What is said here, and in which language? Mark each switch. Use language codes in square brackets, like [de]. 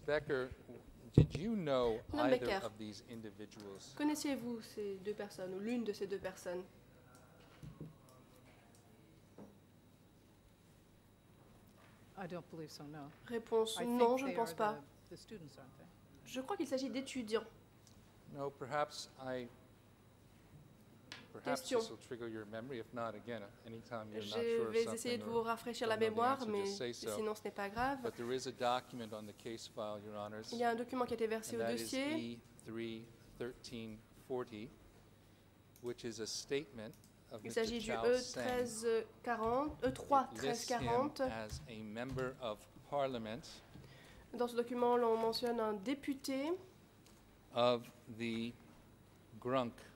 [en] Becker, did you know either of these individuals? [fr] Connaissiez-vous ces deux personnes ou l'une de ces deux personnes? [en] I don't believe so, no. [fr] Réponse, non, je ne pense pas. Je crois qu'il s'agit d'étudiants. [en] No, perhaps I. Perhaps [fr] question. [en] This will trigger your memory. If not, again, anytime you're [fr] je [en] not sure of something. [fr] Je vais essayer de vous rafraîchir la mémoire, mais sinon ce n'est pas grave. [en] But there is a document on the case file, Your Honors. [fr] Il y a un document qui a été versé au dossier. [en] And that is E3-1340, which is a statement. [fr] Il s'agit du E3-1340. Dans ce document, l'on mentionne un député [en] of the Grunk,